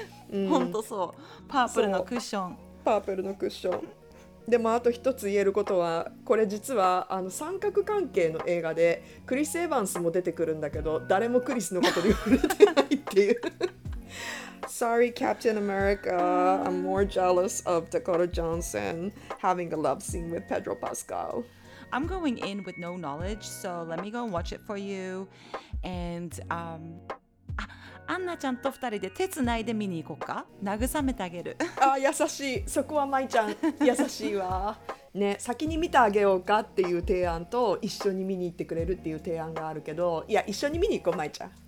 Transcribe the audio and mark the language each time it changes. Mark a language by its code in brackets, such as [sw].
[ja] 本当そう、パープルのクッション、パープルのクッション。でもあと一つ言えることは、これ実はあの三角関係の映画でクリス・エヴァンスも出てくるんだけど、誰もクリスのことで触れてないっていう。 [en] Sorry Captain America, I'm more jealous of Dakota Johnson having a love scene with Pedro Pascal. I'm going in with no knowledge, so let me go and watch it for you. And [ja] アンナちゃんと二人で手つないで見に行こうか、慰めてあげる。あ、優しい、そこはマイちゃん優しいわ。ね、先に見てあげようかっていう提案と一緒に見に行ってくれるっていう提案があるけど、いや一緒に見に行こうマイちゃん。